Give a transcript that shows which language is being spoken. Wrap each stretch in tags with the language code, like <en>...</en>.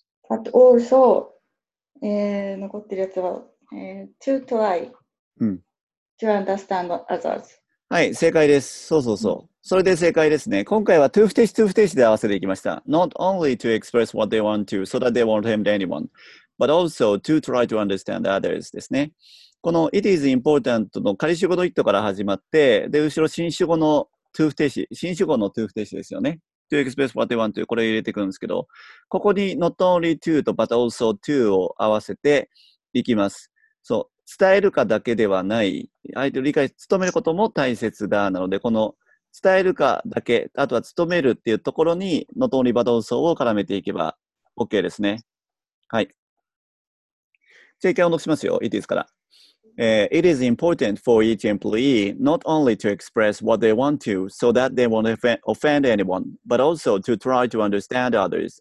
<en>But also、</en> <ja>残ってるやつは、</ja> <en>to try、to understand others。</en> <ja>はい、正解です。そうそうそう。それで正解ですね。今回は2不定詞、2不定詞で合わせていきました。</ja> <en>Not only to express what they want to, so that they won't harm anyone, but also to try to understand others ですね。</en> <ja>この It is important の仮主語の it から始まって、で、後ろ新主語の2不定詞、新主語の2不定詞ですよね。</ja> <en>to express what they want to,</en> <ja>これを入れていくんですけど、ここに not only to と but also to を合わせていきます。そう。伝えるかだけではない。相手を理解、努めることも大切だ。なので、この伝えるかだけ、あとは努めるっていうところに、のとおりバドウソを絡めていけば OK ですね。はい。じゃあ一回音読しますよ。</ja> <en>It is</en> <ja>から。</ja> <en>It is important for each employee not only to express what they want to so that they won't offend anyone, but also to try to understand others.</en>